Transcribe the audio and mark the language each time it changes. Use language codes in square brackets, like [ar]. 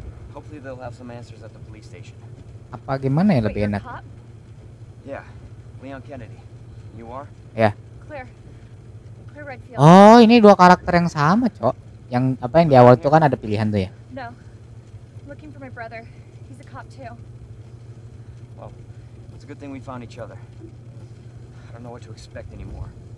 [en] Hopefully they'll have some answers at the police station. [id] Apa gimana ya lebih enak? [en] Yeah, Leon Kennedy. You are? Yeah. Claire Redfield. [id] Oh, ini dua karakter yang sama, cok. Yang apa yang di awal itu kan ada pilihan tuh ya? [en] No. Looking for my brother. He's a cop too. Well, it's a good thing we found each other. I don't know what to expect anymore.